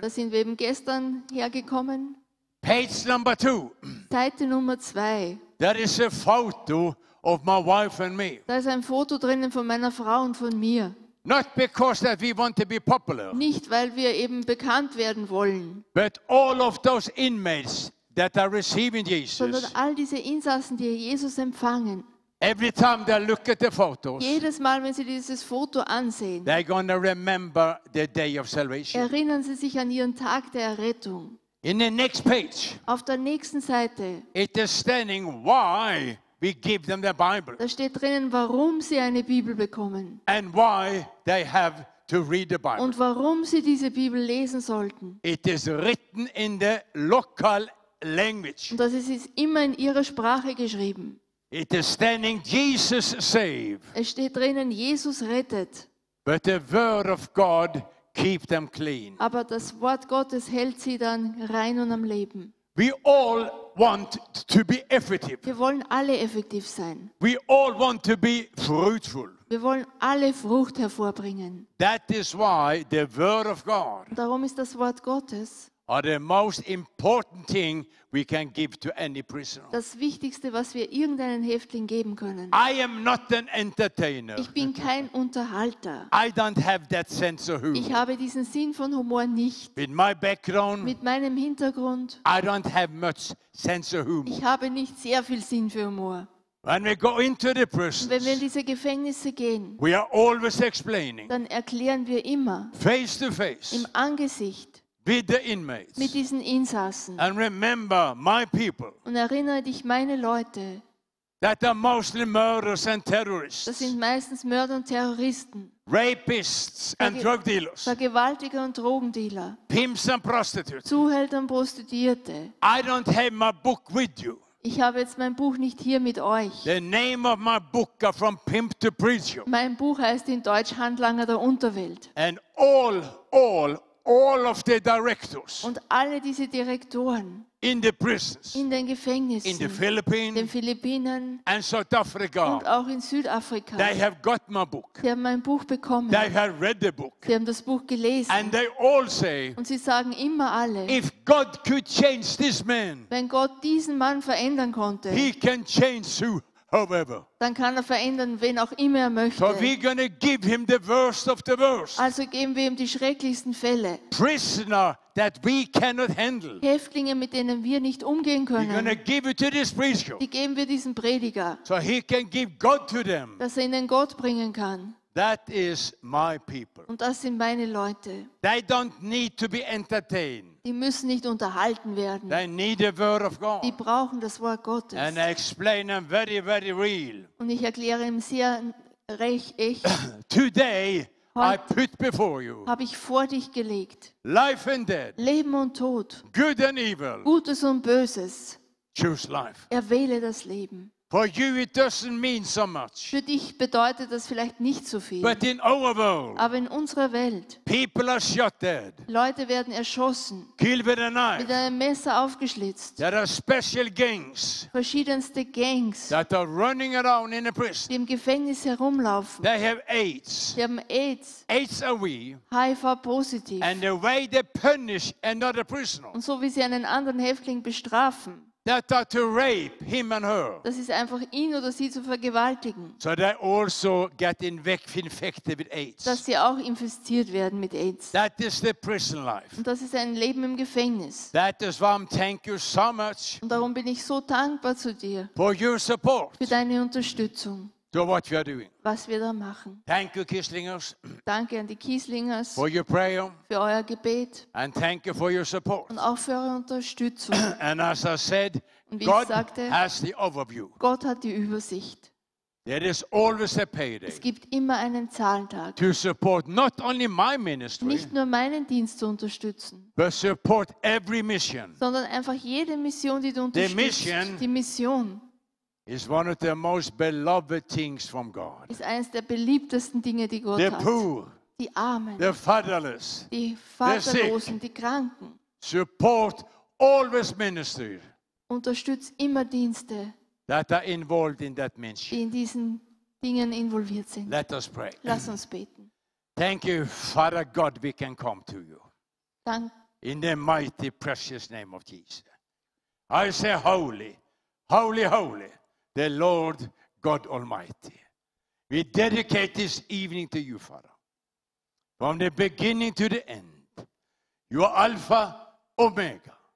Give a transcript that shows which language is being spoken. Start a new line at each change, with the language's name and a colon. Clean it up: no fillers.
German: Da sind wir eben gestern hergekommen.
English: Page number two.
German: Seite Nummer 2.
English: There is a photo of my wife and me.
German: Da ist ein Foto drinnen von meiner Frau und von mir.
English: Not because that we want to be popular.
German: Nicht weil wir eben bekannt werden wollen.
English: But all of those inmates that are receiving Jesus.
German: Sondern all diese Insassen, die Jesus empfangen.
English: Every time they look at the photos,
German: jedes Mal, wenn sie dieses Foto ansehen,
English: they're gonna remember the day of salvation.
German: Erinnern sie sich an ihren Tag der Errettung.
English: In the next page,
German: auf der nächsten Seite,
English: it is standing why we give them the Bible.
German: Da steht drinnen, warum sie eine Bibel bekommen.
English: And why they have to read the Bible.
German: Und warum sie diese Bibel lesen sollten.
English: It is written in the local language.
German: Und das ist immer in ihrer Sprache geschrieben.
English: It is standing Jesus save.
German: Es steht drinnen, Jesus rettet.
English: But the word of God keep them clean.
German: Aber das Wort Gottes hält sie dann rein und am Leben.
English: We all want to be effective.
German: Wir wollen alle effektiv sein.
English: We all want to be fruitful.
German: Wir wollen alle Frucht hervorbringen.
English: That is why the word of God.
German: Darum ist das Wort Gottes.
English: Are the most important thing we can give to any prisoner.
German: Das Wichtigste, was wir irgendeinen Häftling geben können.
English: I am not an entertainer.
German: Ich bin kein Unterhalter.
English: I don't have that sense of humor.
German: Ich habe diesen Sinn von Humor nicht.
English: With my background,
German: mit meinem Hintergrund,
English: I don't have much sense of humor.
German: Ich habe nicht sehr viel Sinn für Humor.
English: When we go into the prisons,
German: wenn wir in diese Gefängnisse gehen,
English: we are always explaining,
German: dann erklären wir immer,
English: face to face,
German: im Angesicht,
English: with the inmates.
German: Mit diesen Insassen.
English: And remember my people.
German: Und erinnere dich meine Leute.
English: That are mostly murderers and terrorists.
German: Das sind meistens Mörder und Terroristen.
English: Rapists and drug dealers.
German: Vergewaltiger und Drogendealer.
English: Pimps and prostitutes.
German: Zuhälter und Prostituierte.
English: I don't have my book with you.
German: Ich habe jetzt mein Buch nicht hier mit euch.
English: The name of my book are From Pimp to Preacher.
German: Mein Buch heißt in Deutsch Handlanger der Unterwelt.
English: And all of the directors.
German: Und alle diese Direktoren.
English: In the prisons.
German: In den Gefängnissen.
English: In the Philippines.
German: Den Philippinen.
English: And South Africa.
German: Und auch in Südafrika.
English: They have got my book.
German: Sie haben mein Buch bekommen.
English: They have read the book.
German: Sie haben das Buch gelesen.
English: And they all say.
German: Und sie sagen immer alle.
English: If God could change this man.
German: Wenn Gott diesen Mann verändern konnte.
English: He can change who. However,
German: dann kann er verändern, wen auch immer er möchte.
English: So we're gonna give him the worst of the worst.
German: Also geben wir ihm die schrecklichsten Fälle.
English: Prisoner that we cannot handle.
German: Häftlinge, mit denen wir nicht umgehen können.
English: We're gonna give it to this preacher.
German: Die geben wir diesem Prediger.
English: So he can give God to them.
German: Dass er ihnen Gott bringen kann.
English: That is my people.
German: Und das sind meine Leute.
English: They don't need to be entertained.
German: Die müssen nicht unterhalten werden.
English: They need the word of God.
German: Die brauchen das Wort Gottes.
English: And I explain them very, very real.
German: Und ich erkläre ihm sehr recht echt.
English: Today I put before you.
German: Habe ich vor dich gelegt.
English: Life and death.
German: Leben und Tod.
English: Good and evil.
German: Gutes und Böses.
English: Choose life.
German: Erwähle das Leben.
English: For you, it doesn't mean so much.
German: Für dich bedeutet das vielleicht nicht so viel.
English: But in our world,
German: aber in unserer Welt,
English: people are shot dead.
German: Leute werden erschossen,
English: killed with a knife.
German: Mit einem Messer aufgeschlitzt.
English: There are special gangs,
German: verschiedenste Gangs,
English: that are running around in a prison.
German: Die im Gefängnis herumlaufen.
English: They have AIDS.
German: Sie haben AIDS.
English: AIDS are we?
German: HIV positive.
English: And the way they punish another prisoner.
German: Und so wie sie einen anderen Häftling bestrafen.
English: That are to rape him and her.
German: Das ist einfach ihn oder sie zu vergewaltigen.
English: So they also get infected with AIDS.
German: Dass sie auch infiziert werden mit AIDS.
English: That is the prison life.
German: Und das ist ein Leben im Gefängnis.
English: That is why I'm thank you so much.
German: Und darum bin ich so dankbar zu dir.
English: For your support.
German: Für deine Unterstützung.
English: To what we are doing.
German: Was wir da machen.
English: Thank you, Kieslingers.
German: Danke an die Kieslingers.
English: For your prayer.
German: Für euer Gebet.
English: And thank you for your support.
German: Und auch für eure Unterstützung.
English: And as I said,
German: God sagte,
English: has the overview.
German: Gott hat die Übersicht.
English: There is always a payday.
German: Es gibt immer einen Zahltag.
English: To support not only my ministry.
German: Nicht nur meinen Dienst zu unterstützen.
English: But support every mission.
German: Sondern einfach jede Mission, die du unterstützt.
English: The mission.
German: Die Mission.
English: Is one of the most beloved things from God.
German: Ist eines der beliebtesten Dinge, die Gott
English: the
German: hat.
English: Poor,
German: die Armen.
English: The fatherless.
German: Die Vaterlosen,
English: the sick.
German: Die Kranken.
English: Support always ministry.
German: Unterstützt immer Dienste.
English: That are involved in that ministry.
German: Die in diesen Dingen involviert sind.
English: Let us pray.
German: Lass uns beten.
English: Thank you, Father God, we can come to you.
German: Dank.
English: In the mighty, precious name of Jesus. I say holy. Holy, holy, the Lord God Almighty. We dedicate this evening to you, Father. From the beginning to the end, you are Alpha, Omega.